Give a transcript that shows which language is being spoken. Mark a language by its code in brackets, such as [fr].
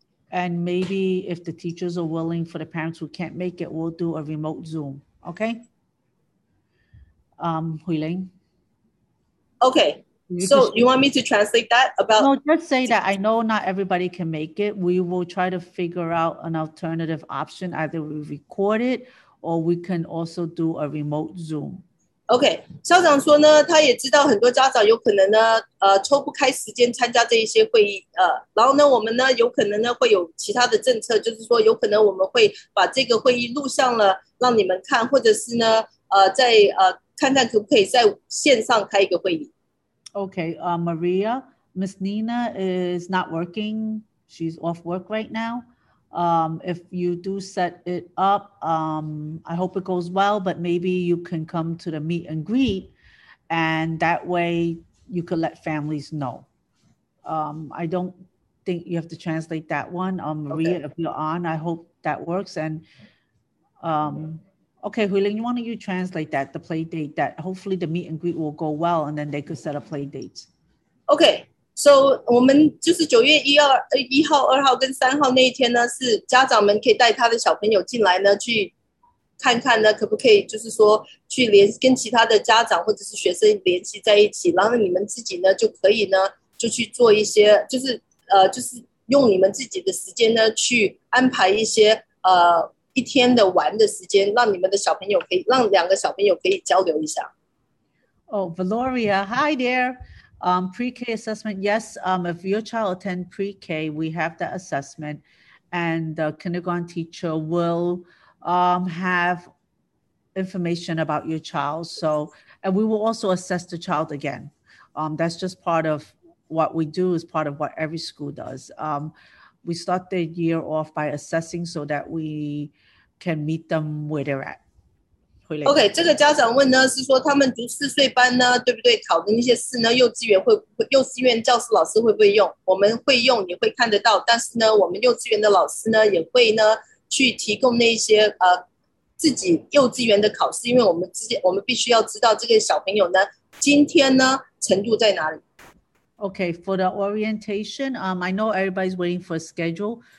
[en] And maybe if the teachers are willing for the parents who can't make it, we'll do a remote Zoom, okay? Huiling. Okay. So you want me to translate that about? No, just say that I know not everybody can make it. We will try to figure out an alternative option. Either we record it or we can also do a remote Zoom. [zh] OK, 校长说呢，他也知道很多家长有可能呢，抽不开时间参加这一些会议，然后呢，我们呢，有可能呢，会有其他的政策，就是说，有可能我们会把这个会议录像了，让你们看，或者是呢，在看看可不可以在线上开一个会议。 [en] OK, Maria, Miss Nina is not working. She's off work right now. If you do set it up, I hope it goes well, but maybe you can come to the meet and greet, and that way you could let families know. I don't think you have to translate that one. Maria, okay. If you're on, I hope that works. And okay, Huiling, why don't you translate that, the play date, that hopefully the meet and greet will go well, and then they could set a play date. Okay, so 我们就是9月1号、2号跟3号那一天呢，是家长们可以带他的小朋友进来呢，去看看呢，可不可以就是说去联跟其他的家长或者是学生联系在一起，然后你们自己呢就可以呢，就去做一些，就是用你们自己的时间呢，去安排一些一天的玩的时间，让你们的小朋友可以让两个小朋友可以交流一下。 Oh, Valoria, hi there. Pre-K assessment, yes. If your child attend pre-K, we have that assessment, and the kindergarten teacher will have information about your child. So, and we will also assess the child again. That's just part of what we do. Is part of what every school does. We start the year off by assessing so that we can meet them where they're at. [zh] OK, 这个家长问呢，是说他们读四岁班呢，对不对？考的那些试呢，幼稚园会幼稚园教师老师会不会用？我们会用，也会看得到。但是呢，我们幼稚园的老师呢，也会呢去提供那些自己幼稚园的考试，因为我们必须要知道这个小朋友呢，今天呢程度在哪里。 [en] Okay, for the orientation, I know everybody's waiting for a schedule.